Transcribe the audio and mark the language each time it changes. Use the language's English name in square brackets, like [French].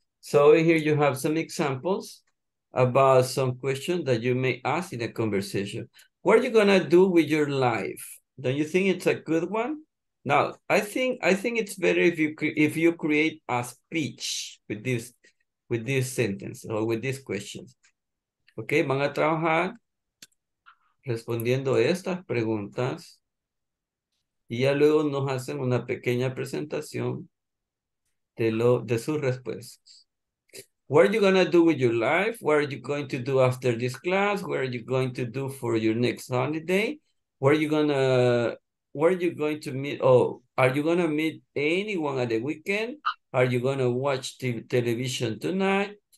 [English] So here you have some examples about some questions that you may ask in a conversation. What are you gonna do with your life? Don't you think it's a good one? Now, I think it's better if you create a speech with this sentence or with these questions. [Spanish] Okay, van a trabajar respondiendo estas preguntas y ya luego nos hacen una pequeña presentación de sus respuestas. [English] What are you going to do with your life? What are you going to do after this class? What are you going to do for your next holiday? Where are you going to meet? Oh, are you going to meet anyone at the weekend? Are you going to watch television tonight?